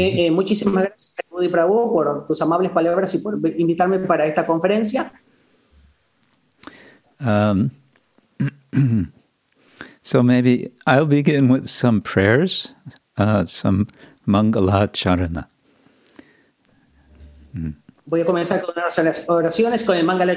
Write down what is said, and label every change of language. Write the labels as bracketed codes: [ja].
[es] Muchísimas gracias, Bodhi Prabhu, por tus amables palabras y por invitarme para esta conferencia. [en] So maybe I'll begin with some prayers, some Mangala [es] Voy a comenzar con las oraciones con el Mangala